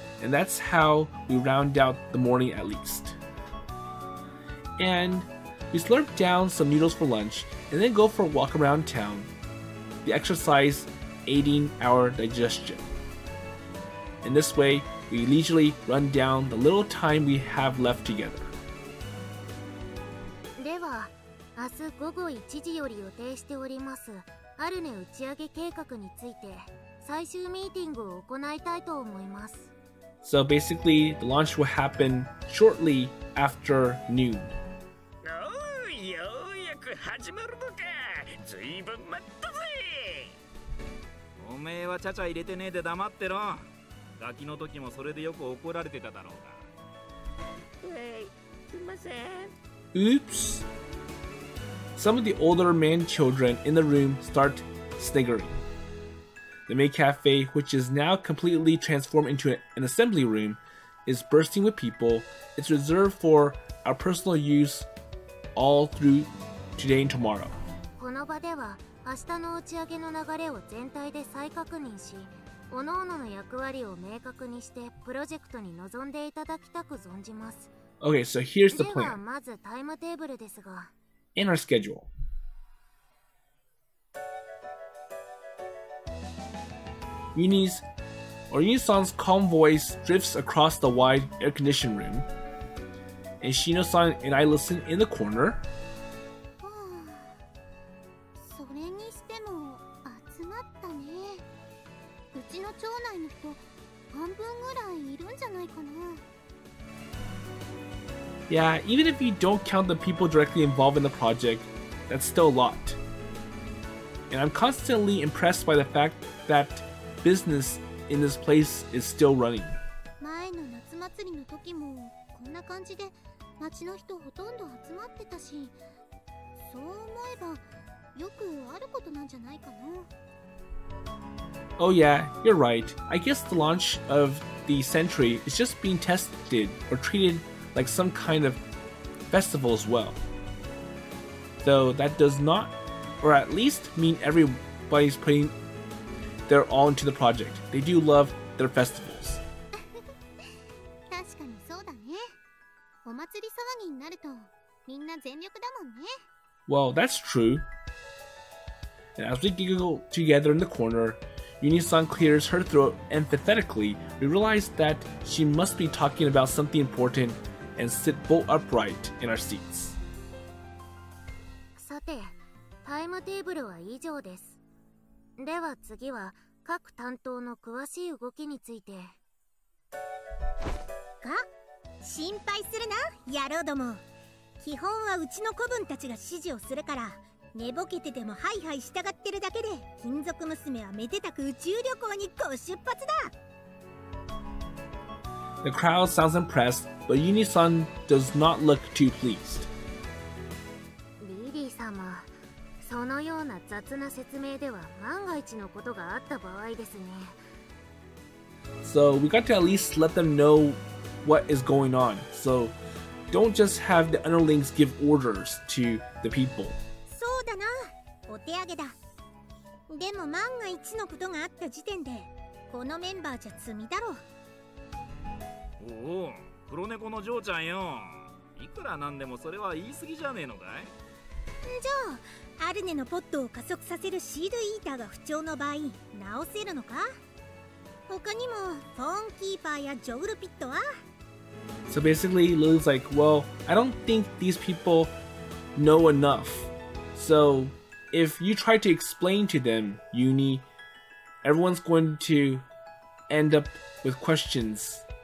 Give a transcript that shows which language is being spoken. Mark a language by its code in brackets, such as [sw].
[en] And that's how we round out the morning at least. And we slurp down some noodles for lunch and then go for a walk around town, the exercise aiding our digestion. In this way, we leisurely run down the little time we have left together. [ja] では、明日午後1時より予定しておりますアルネ打ち上げ計画について最終ミーティングを行いたいと思います。 [en] So basically, the launch will happen shortly after noon. [ja] ようやく始まるのか。ずいぶん待ったぜ。おめえはちゃちゃ入れてねえで黙ってろ。ガキの時もそれでよく怒られてただろうが。すいません。 [en] Oops. Some of the older man children in the room start sniggering. The maid cafe, which is now completely transformed into an assembly room, is bursting with people. It's reserved for our personal use all through today and tomorrow. [ja] この場では、明日の打ち上げの流れを全体で再確認し、各々の役割を明確にしてプロジェクトに臨んでいただきたく存じます。 [en] Okay, so here's the plan. [ja] まずタイムテーブルですが。 [en] In our schedule. Yunie-san's calm voice drifts across the wide air-conditioned room, and Shino-san and I listen in the corner. [ja] それにしても暑かったね。うちの町内の人半分ぐらいいるんじゃないかな。 [en] Yeah, even if you don't count the people directly involved in the project, that's still a lot. And I'm constantly impressed by the fact that business in this place is still running. [ja] 前の夏祭りの時もこんな感じで町の人ほとんど集まってたし、そう思えばよくあることなんじゃないかな。 [en] Oh yeah, you're right. I guess the launch of the century is just being tested or treated like some kind of festival as well. Though that does not, or at least mean everybody's putting their all into the project. They do love their festivals. [ja] 確かにそうだね。お祭り騒ぎになるとみんな全力だもんね。 [en] Well, that's true. And as we giggle together in the corner, Yunie-san clears her throat empathetically. We realize that she must be talking about something important and sit bolt upright in our seats. [ja] さて、タイムテーブルは以上です。では次は各担当の詳しい動きについて。が、心配するな、野郎ども。基本はうちの子分たちが指示をするから、寝ぼけててもハイハイ従ってるだけで、金属娘はめでたく宇宙旅行にご出発だ。 [en] The crowd sounds impressed, but Yunie-san does not look too pleased. [ja] Lily-sama, そのような雑な説明では万が一のことがあった場合ですね。 [en] So we got to at least let them know what is going on. So don't just have the underlings give orders to the people. [ja] そうだな、お手上げだ。でも万が一のことがあった時点で、このメンバーじゃ罪だろう。おお、黒猫の嬢ちゃんよ。いくらなんでもそれは言い過ぎじゃねえのかい？じゃあ、アルネのポットを加速させるシールイーターが不調の場合、直せるのか？他にも、フォーンキーパーやジョウルピットは？ [en] So basically, Lily's like, well, I don't think these people know enough. So, if you try to explain to them, Yunie, everyone's going to end up with questions.